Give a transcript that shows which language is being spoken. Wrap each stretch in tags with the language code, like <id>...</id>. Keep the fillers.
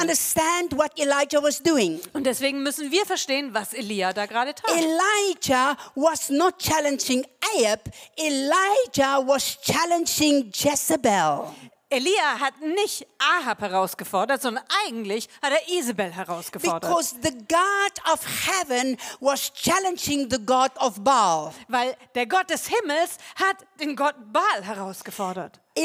<en>understand what Elijah was doing.</en> <de>Und deswegen müssen wir verstehen, was Elia da gerade tat.</de> <en>Elijah was not challenging Ahab. Elijah was challenging Jesse. Jezebel.</en> <de>Elia hat nicht Ahab herausgefordert, sondern eigentlich hat er Isabel herausgefordert.</de> <en>Because the God of heaven was challenging the God of Baal.</en> <de>Weil der Gott des Himmels hat den Gott Baal herausgefordert.</de>